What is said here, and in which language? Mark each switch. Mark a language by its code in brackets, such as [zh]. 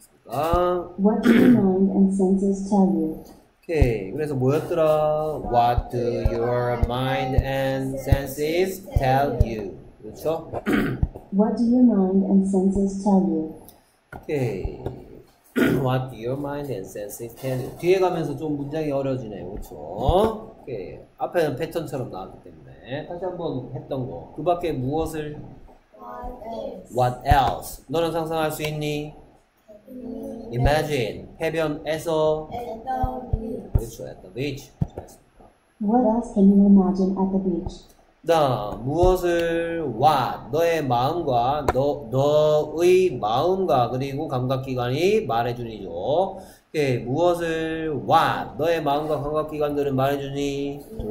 [en] What do your mind and senses tell you? [ko] 오케이. 그래서 뭐였더라? [en] What do your mind and senses tell you? [ko] 그렇죠? [en] What do your mind and senses tell you? [ko] 오케이. [en] What do your mind and senses tell you? [ko] 뒤에 가면서 좀 문장이 어려워지네요. 그렇죠? 오케이. 앞에는 패턴처럼 나왔기 때문에 다시 한번 했던 거. 그 밖에 무엇을? [en] What else? [ko] 너는 상상할 수 있니? Imagine. 해변에서. 그렇죠. [en] At the beach. What else can you imagine at the beach? [ko] 다 무엇을? What? 너의 마음과 너의 마음과 그리고 감각기관이 말해주니죠. 오케이. 무엇을? What? 너의 마음과 감각기관들은 말해주니?